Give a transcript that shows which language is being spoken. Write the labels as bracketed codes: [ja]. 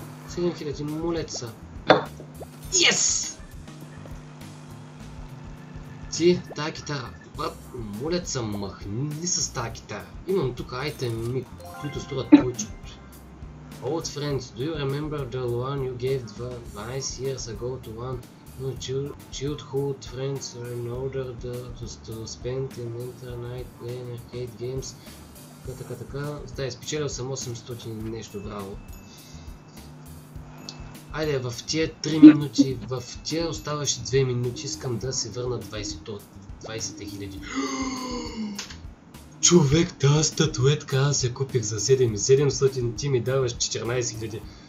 [bg] 7000, моля са. Йес! Ти, тая китара. Брат, моля са, махни с тази китара. Имам тук айтеми, които струват повече. [en] Old friends, do you remember the loan you gave 20 years ago to one childhood friends in order to spend an internet playing arcade games? [bg] Така. Да, спечелил съм 800 нещо, браво. Айде, в тия 3 минути, в тия оставащи 2 минути искам да се върна 20 000. Човек, тази статуетка аз я купих за 7700, ти ми даваш 14000.